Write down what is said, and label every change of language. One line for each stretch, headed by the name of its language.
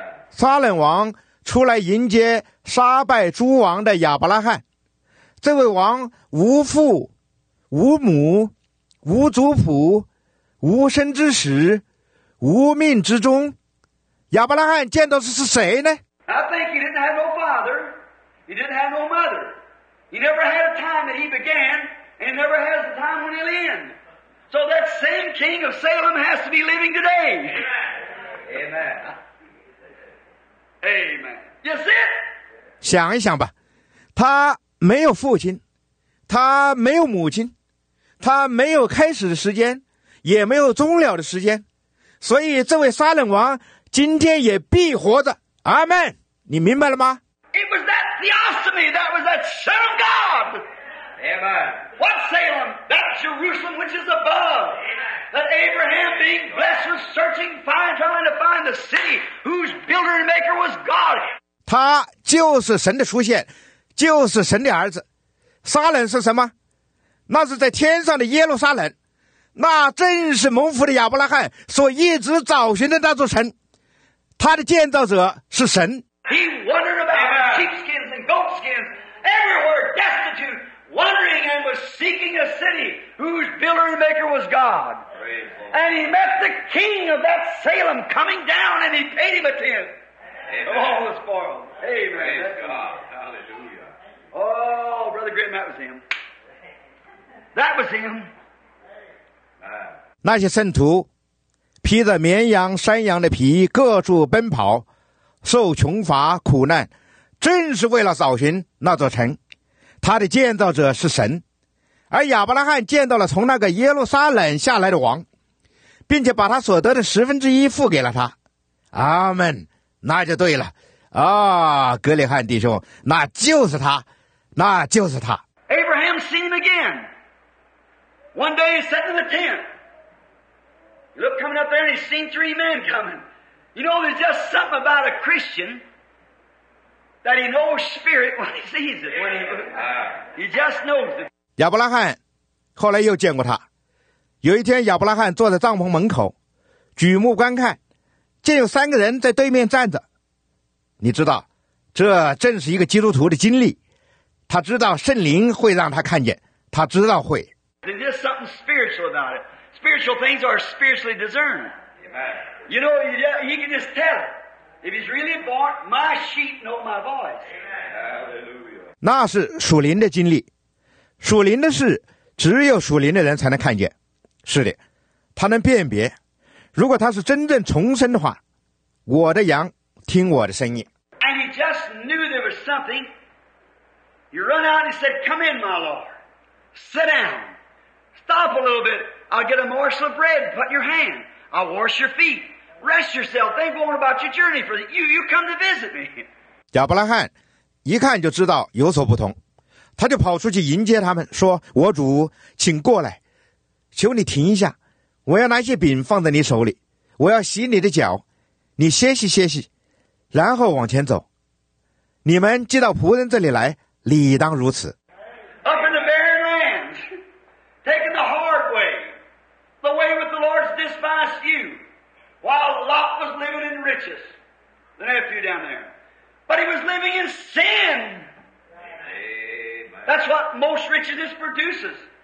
Chinese: 撒冷王出来迎接杀败诸王的亚伯拉罕，这位王无父无母无族谱，无生之始，无命之终。亚伯拉罕见到的是谁呢？
English: I think he didn't have no father. He didn't have no mother. He never had a time that he began, and he never has a time when he'll end. So that same king of Salem has to be living today. Amen. Amen. You see it?
Chinese: 想一想吧，他没有父亲，他没有母亲，他没有开始的时间，也没有终了的时间，所以这位撒冷王今天也必活着。阿们，你明白了吗？
English: It was that theosomy, that was that son of God. Amen. What Salem? That Jerusalem which is above. Amen. That Abraham being blessed was searching, trying to find the city whose builder and maker was God.
Chinese: 他就是神的出现，就是神的儿子。撒冷是什么？那是在天上的耶路撒冷，那正是蒙福的亚伯拉罕所一直找寻的那座城，他的建造者是神。
English: He wandered about with sheepskins and goatskins, everywhere destitute, wandering and was seeking a city whose builder and maker was God. And he met the king of that Salem coming down, and he paid him a tenth of all his spoils. Amen. Praise God. Hallelujah. Oh, Brother Grimm, that was him. That was him.
Chinese: 那些圣徒披着绵羊山羊的皮各处奔跑，受穷乏苦难，正是为了找寻那座城。他的建造者是神，而亚伯拉罕见到了从那个耶路撒冷下来的王，并且把他所得的十分之一付给了他。阿们，那就对了。格里汉弟兄，那就是他，那就是他。
English: Abraham seen again. One day he's sitting in the tent. He looked coming up there and he's seen three men coming. You know, there's just something about a Christian that he knows spirit when he sees it. When he just knows it.
Chinese: 亚伯拉罕后来又见过他。有一天亚伯拉罕坐在帐篷门口举目观看，见有三个人在对面站着。你知道，这正是一个基督徒的经历。他知道圣灵会让他看见，他知道会。
English: There's just something spiritual about it. Spiritual things are spiritually discerned. Amen. You know, he can just tell it. If he's really born, my sheep know my voice. Amen.
Chinese: 那是属灵的经历。属灵的事只有属灵的人才能看见。是的，他能辨别，如果他是真正重生的话，我的羊听我的声音。
English: And he just knew there was something. He run out and he said, come in, my Lord. Sit down. Stop a little bit. I'll get a morsel of bread and put in your hand. I'll wash your feet. Rest yourself. Think more about your journey for you come to visit me.
Chinese: 亚伯拉罕一看就知道有所不同。他就跑出去迎接他们，说，我主，请过来，求你停一下，我要拿一些饼放在你手里，我要洗你的脚，你歇息歇息，然后往前走。你们既到仆人这里来，理当如此。
English: Up in the barren land, taking the hard way, the way with the Lord's despised you, while Lot was living in riches, the nephew down there. But he was living in sin. That's what most riches produces.